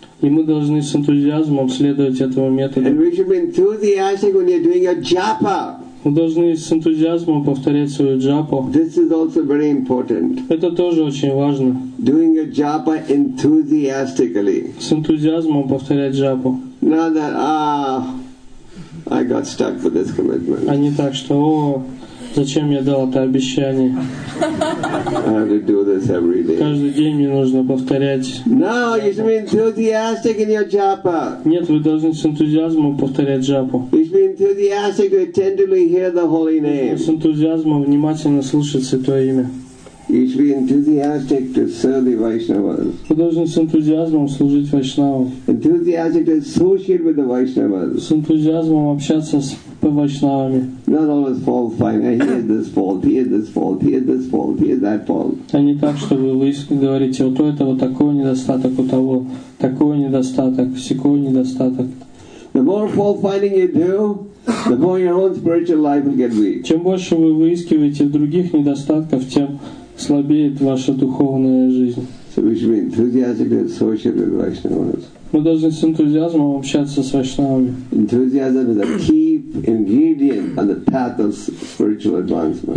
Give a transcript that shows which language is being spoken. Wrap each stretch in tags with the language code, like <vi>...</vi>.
<ru>И мы должны с энтузиазмом следовать этому методу.</ru> <en>And we should be enthusiastic when you're doing a japa.</en> <ru>Мы должны с энтузиазмом повторять свою джапу.</ru> <en>This is also very important.</en> <ru>Это тоже очень важно.</ru> <en>Doing a japa enthusiastically.</en> <ru>С энтузиазмом повторять джапу.</ru> <en>Not that, I got stuck for this commitment.</en> <ru>А не так, что, о, зачем я дал это обещание?</ru> <en>I have to do this every day.</en> <ru>Каждый день мне нужно повторять.</ru> <en>No, you should be enthusiastic in your japa.</en> <ru>Нет, вы должны с энтузиазмом повторять джапу.</ru> <en>You should be enthusiastic to tenderly hear the holy name.</en> <ru>С энтузиазмом внимательно слушать святое имя.</ru> <en>You should be enthusiastic to serve the Vaishnavas.</en> <ru>Вы должны с энтузиазмом служить вайшнавам.</ru> <en>Enthusiastic to associate with the Vaishnavas.</en> <ru>С энтузиазмом общаться с вайшнавами.</ru> <en>Not always fault finding. Here this fault, here this fault, here this fault, here that fault.</en> <ru>А не так, чтобы вы говорите, вот у этого такой недостаток, у того такой недостаток, всякой недостаток.</ru> <en>The more fault finding you do, the more your own spiritual life will get weak.</en> <ru>Чем больше вы выискиваете других недостатков, тем слабеет ваша духовная жизнь.</ru> <en>So we should be enthusiastic and associate with Vaishnavas.</en> <ru>Мы должны с энтузиазмом общаться с вайшнавами.</ru> <en>Enthusiasm is a key ingredient on the path of spiritual advancement.</en>